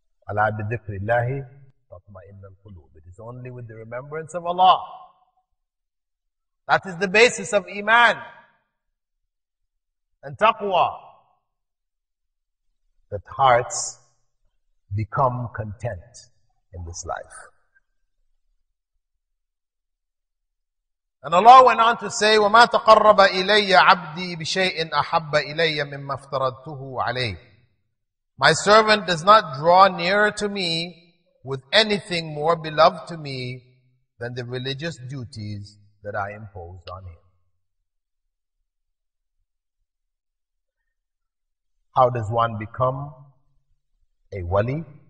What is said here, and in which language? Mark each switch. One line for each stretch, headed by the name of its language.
Arabic: Ala bi dhikrillahi tatma'innu al-qulub.
English: It is only with the remembrance of Allah. That is the basis of iman and taqwa. That hearts become content in this life. And Allah went on to say,
Arabic: وَمَا تَقَرَّبَ إِلَيَّ عَبْدِي بِشَيْءٍ أَحَبَّ إِلَيَّ مِمَّا افْتَرَدْتُهُ عَلَيْهِ.
English: My servant does not draw nearer to me with anything more beloved to me than the religious duties that I imposed on him. How does one become a wali?